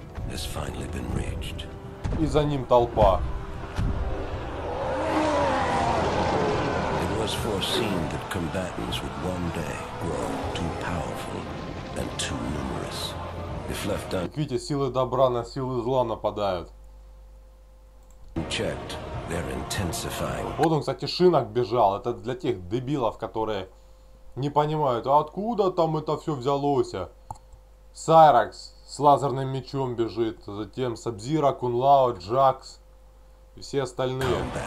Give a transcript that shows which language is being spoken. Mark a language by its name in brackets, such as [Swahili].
[English] Has finally been reached. [Russian] И за ним толпа. [English] It was foreseen that combatants would one day grow too powerful and too numerous. If left un... [Russian] Видите, силы добра на силы зла нападают. [English] Checked, they're intensifying. [Russian] Вот он, кстати, Шинок бежал. Это для тех дебилов, которые не понимают, а откуда там это все взялось. Сайракс с лазерным мечом бежит, затем Саб-Зиро, Кун Лао, Джакс и все остальные.